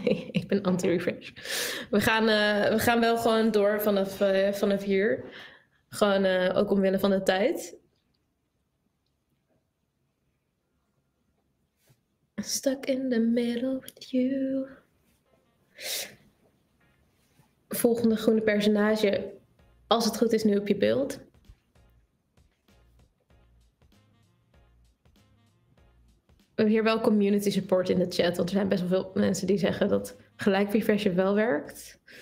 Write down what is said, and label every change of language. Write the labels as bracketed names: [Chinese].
[Dutch] Ik ben anti-refresh. We gaan wel gewoon door vanaf hier. Gewoon ook omwille van de tijd. [English] I'm stuck in the middle with you. [Dutch] Volgende groene personage. Als het goed is nu op je beeld. hier wel community support in de chat. Want er zijn best wel veel mensen die zeggen dat gelijk refresher wel werkt.